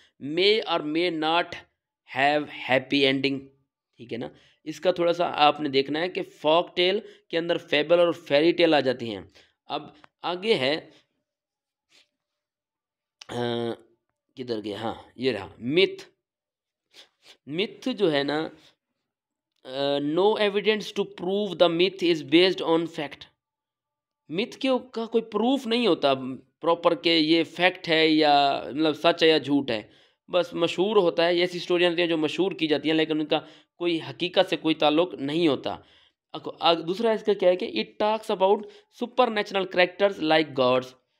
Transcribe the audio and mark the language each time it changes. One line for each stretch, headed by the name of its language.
English: may اور may not have happy ending,
Urdu: ٹھیک ہے نا. اس کا تھوڑا سا آپ نے دیکھنا ہے کہ فوک ٹیل کے اندر فیبل اور فیری ٹیل آ جاتی ہیں. اب آگے ہے کدھر گیا، ہاں یہ رہا میتھ.
English: myth
Urdu: جو ہے نا
English: No evidence to prove the myth is based on fact.
Urdu: Math کے کا کوئی پروف نہیں ہوتا پراپر کہ یہ فیکٹ ہے یا مطلب سچ ہے یا جھوٹ ہے، بس مشہور ہوتا ہے. ایسی اسٹوریاں ہوتی ہیں جو مشہور کی جاتی ہیں لیکن ان کا کوئی حقیقت سے کوئی تعلق نہیں ہوتا. دوسرا اس کا کیا ہے کہ
English: It talks about supernatural characters like gods.